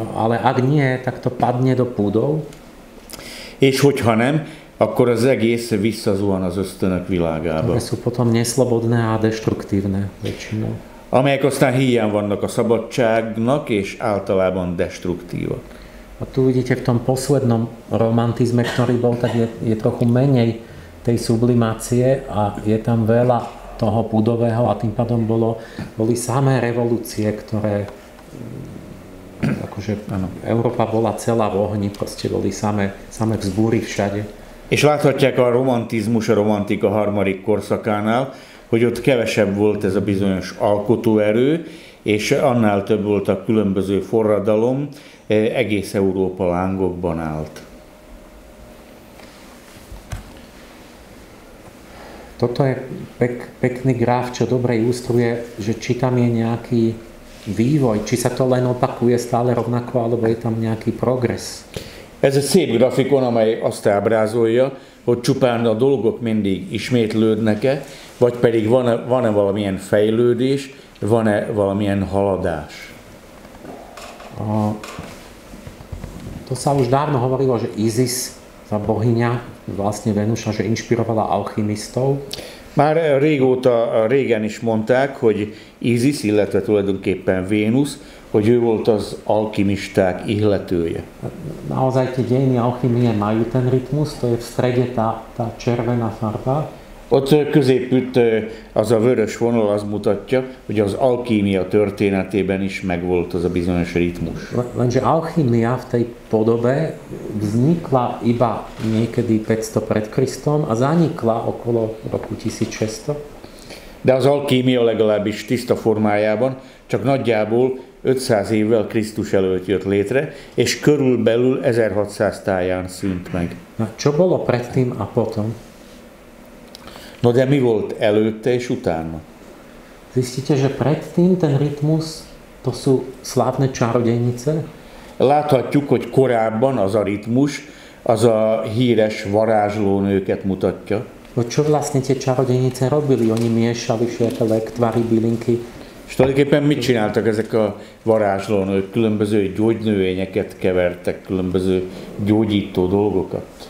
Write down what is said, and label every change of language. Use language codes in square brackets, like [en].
[sk] Ale ak nie, tak to padne do púdov. [hu] És hogyha nem, akkor az egész visszazuhan az ösztönök világába. [sk] Ktoré sú potom neslobodné a destruktívne väčšinou. [hu] Amelyek aztán híján vannak a szabadságnak, és általában destruktívak. [sk] A tu vidíte v tom poslednom romantizme, ktorý bol, tak je trochu menej tej sublimácie a je tam veľa toho púdového a tým pádom boli samé revolúcie, ktoré akože, ano, Európa bola celá v ohni, proste boli samé vzbúry všade. [hu] És láthatják a romantizmus, a romantika harmadik korszakánál, hogy ott kevesebb volt ez a bizonyos alkotóerő, és annál több volt a különböző forradalom, egész Európa lángokban állt. [sk] Toto je pekný gráf, čo dobre ilustruje, že či tam je nejaký vývoj, či sa to len opakuje stále rovnako, alebo je tam nejaký progres. [hu] Ez egy szép grafikon, amely azt ábrázolja, hogy csupán a dolgok mindig ismétlődnek-e, vagy pedig van-e valamilyen fejlődés, van-e valamilyen haladás. [sk] To sa už dávno hovorilo, že Isis tá bohyňa, vlastne Venuša, že inšpirovala alchymistov? [hu] Már régóta, régen is mondták, hogy Ízis, illetve tulajdonképpen Vénusz, hogy ő volt az alchimisták ihletője. [sk] Naozaj tie dejiny alchymie majú ten rytmus, to je v strede tá červená farba. [hu] Ott középütt az a vörös vonal az mutatja, hogy az alchímia történetében is megvolt az a bizonyos ritmus. [sk] Lenže alchímia v tej podobe vznikla iba niekedy 500 pred Kristom a zanikla okolo roku 1600. [hu] De az alchímia legalábbis tiszta formájában csak nagyjából 500 évvel Krisztus előtt jött létre, és körülbelül 1600 táján szűnt meg. [sk] Na, čo bolo predtým a potom? [hu] No de mi volt előtte és utána? [sk] Zistíte, že predtým ten rytmus, to sú slávne čarodejnice? [hu] Láthatjuk, hogy korábban az a rytmus, az a híres varázslónőket mutatja. [sk] No čo vlastne tie čarodejnice robili? Oni miešali všetele tvary, bylinky. [hu] És tulajdonképpen mit csináltak ezek a varázslónők? Különböző gyógynövényeket kevertek, különböző gyógyító dolgokat?